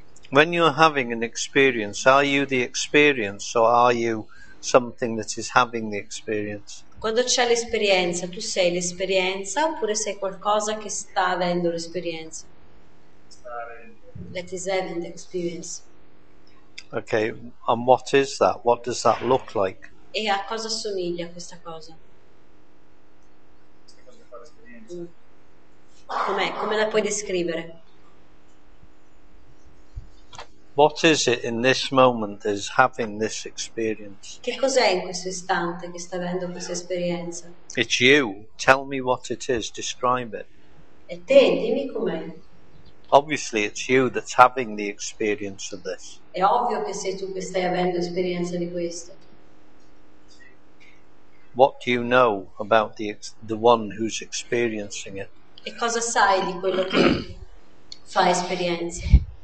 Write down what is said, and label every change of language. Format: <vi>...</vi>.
<en>When you're having an experience, are you the experience or are you something that is having the experience?</en> <it>Quando c'è l'esperienza, tu sei l'esperienza oppure sei qualcosa che sta avendo l'esperienza?</it> <en>That is having the experience. Okay, and what is that? What does that look like?</en> <it>E a cosa somiglia questa cosa? Com'è? Come la puoi descrivere?</it> <en>What is it in this moment that is having this experience?</en> <it>Che cos'è in questo istante che sta avendo questa esperienza?</it> <en>It's you. Tell me what it is. Describe it.</en> <it>E te, dimmi com'è.</it> <en>Obviously, it's you that's having the experience of this.</en> <it>È ovvio che sei tu che stai avendo esperienza di questo.</it> <en>What do you know about the one who's experiencing it?</en> <it>E cosa sai di quello che fa esperienze?</it>